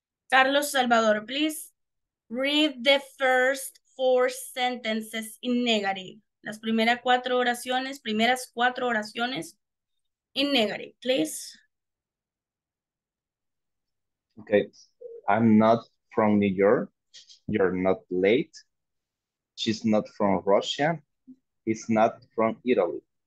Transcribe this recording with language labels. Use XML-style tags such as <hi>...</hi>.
<en>Carlos Salvador, please read the first four sentences in negative.</en> <es>Las primeras cuatro oraciones, primeras cuatro oraciones</es> <en>in negative, please. Okay, I'm not from New York, you're not late, she's not from Russia, he's not from Italy.</en>